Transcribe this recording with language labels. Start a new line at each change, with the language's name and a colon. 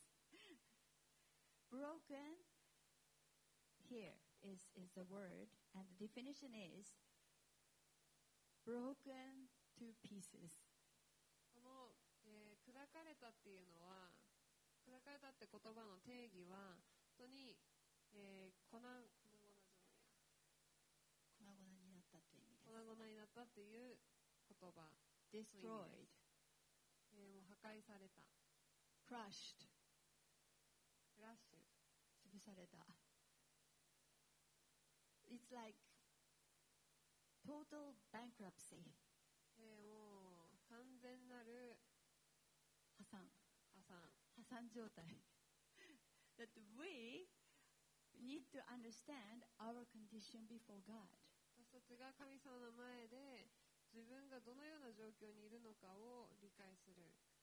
English: Yes. Broken here is the word, and the definition is broken to pieces.
Japanese: この、砕かれたっていうのは、砕かれたって言葉の定義は本当に、粉々になったという意味です。粉々になったっていう言葉。
English: Destroyed.
Japanese: もう破壊された。
English: Crushed. Crushed.
Japanese: 潰された。
English: It's like total bankruptcy.
Japanese: もう完全なる破産状態。
English: That we need to understand our condition before God.
Japanese: 私たちが神様の前で自分がどのような状況にいるのかを理解する。